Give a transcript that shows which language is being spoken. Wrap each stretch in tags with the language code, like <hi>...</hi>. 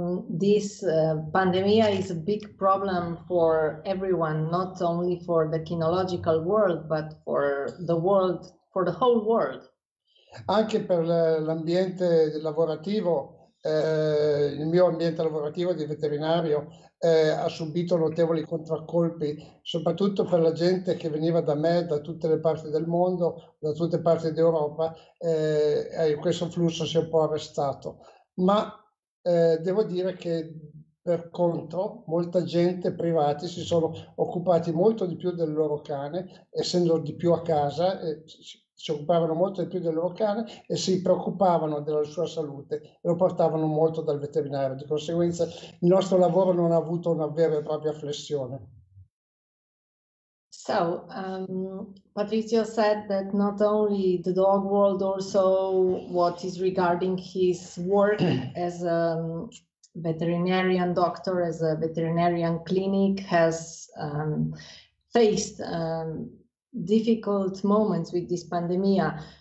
<en>This pandemia is a big problem for everyone, not only for the kinological world, but for the world, for the whole world.</en> <it>Anche per l'ambiente lavorativo. Il mio ambiente lavorativo di veterinario ha subito notevoli contraccolpi, soprattutto per la gente che veniva da me, da tutte le parti del mondo, da tutte le parti d'Europa, questo flusso si è un po' arrestato. Ma devo dire che per contro molta gente, privati, si sono occupati molto di più del loro cane, essendo di più a casa, si occupavano molto di più del loro cane e si preoccupavano della sua salute e lo portavano molto dal veterinario. Di conseguenza il nostro lavoro non ha avuto una vera e propria flessione.</it> <en>So, Patrizio said that not only the dog world, also what is regarding his work as a veterinarian doctor, as a veterinarian clinic, has faced difficult moments with this pandemia.</en>